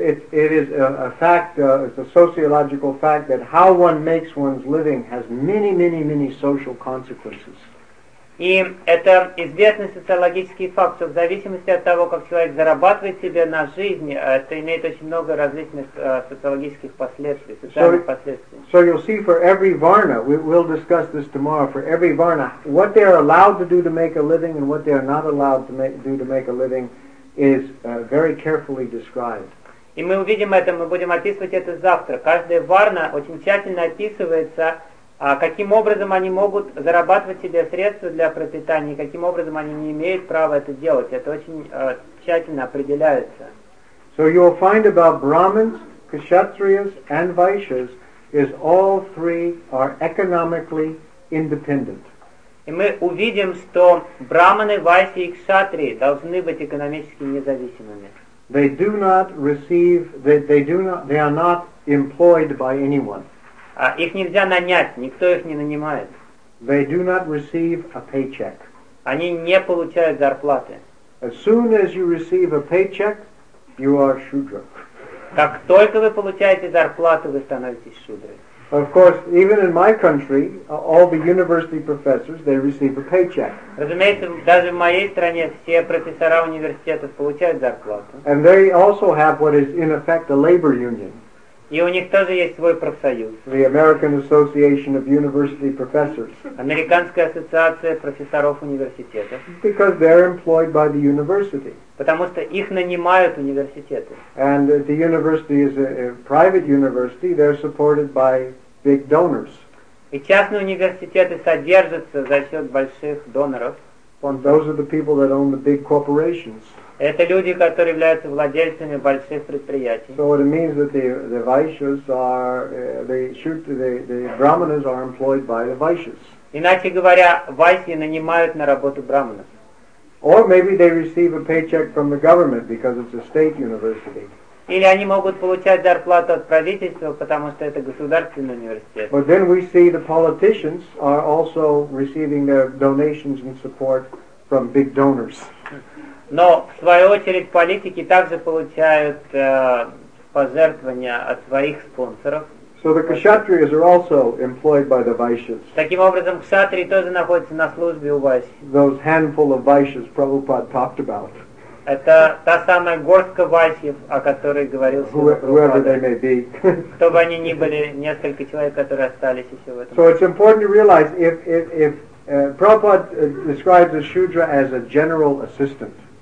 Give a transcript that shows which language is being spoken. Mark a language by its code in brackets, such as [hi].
[en] It's a sociological fact that how one makes one's living has many, many, many social consequences. [ru] И это известный социологический факт, что в зависимости от того, как человек зарабатывает себе на жизнь, это имеет очень много различных социологических последствий, социальных последствий. [en] So you'll see for every varna, we'll discuss this tomorrow, for every varna, what they are allowed to do to make a living and what they are not allowed to make, do to make a living is very carefully described. [ru] И мы увидим это, мы будем описывать это завтра. Каждая варна очень тщательно описывается, каким образом они могут зарабатывать себе средства для пропитания, каким образом они не имеют права это делать. Это очень тщательно определяется. [en] So you will find about Brahmins, Kshatriyas, and Vaishyas is all three are economically independent. [ru] И мы увидим, что брахманы, вайсы и кшатрии должны быть экономически независимыми. [en] They do not receive, they are not employed by anyone. [ru] Их нельзя нанять, никто их не нанимает. [en] They do not receive a paycheck. [ru] Они не получают зарплаты. [en] As soon as you receive a paycheck, you are shudra. [ru] Как только вы получаете зарплату, вы становитесь шудрой. [en] Of course, even in my country, all the university professors, they receive a paycheck. [ru] Разумеется, даже в моей стране все профессора университетов получают зарплату. [en] And they also have what is in effect a labor union. [ru] И у них тоже есть свой профсоюз. [en] The American Association of University Professors. [ru] Американская ассоциация профессоров университетов. [en] Because they're employed by the university. [ru] Потому что их нанимают университеты. [en] And the university is a private university, they're supported by big donors. [ru] И частные университеты содержатся за счет больших доноров. [en] And those are the people that own the big corporations. [ru] Это люди, которые являются владельцами больших предприятий. [en] So it means that the Vaishyas are, the Brahmanas are employed by the Vaishyas. [ru] Иначе говоря, Вайсьи нанимают на работу Брахманов. [en] Or maybe they receive a paycheck from the government because it's a state university. [ru] Или они могут получать зарплату от правительства, потому что это государственный университет. [en] But then we see the politicians are also receiving their donations and support from big donors. [ru] Но в свою очередь политики также получают пожертвования от своих спонсоров. [en] So the kshatriyas are also employed by the vaishyas. [ru] Таким образом, кшатрии тоже находятся на службе у вайсий. [en] Those handful of vaishyas Prabhupada talked about. [ru] Это та самая горстка вайсиев, о которой говорил Прабхупада. Кто бы они ни были, несколько человек, которые остались еще в этом. [en] So it's important to realize if Prabhupada describes a shudra as a general assistant.